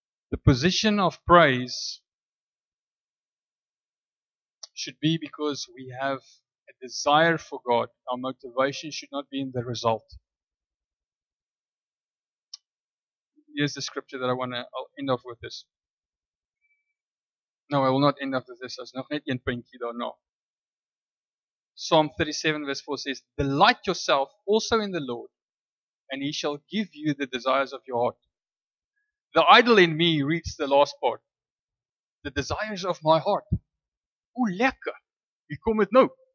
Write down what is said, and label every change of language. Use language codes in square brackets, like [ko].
[en] The position of praise should be because we have a desire for God. Our motivation should not be in the result. Here's the scripture that I want to end off with this. No, I will not end off with this. There's [af] nog net een puntjie daarna. [en] Psalm 37 verse 4 says, delight yourself also in the Lord, and He shall give you the desires of your heart. The idol in me reads the last part. The desires of my heart. [af] Hoe lekker. Wie kom het nou?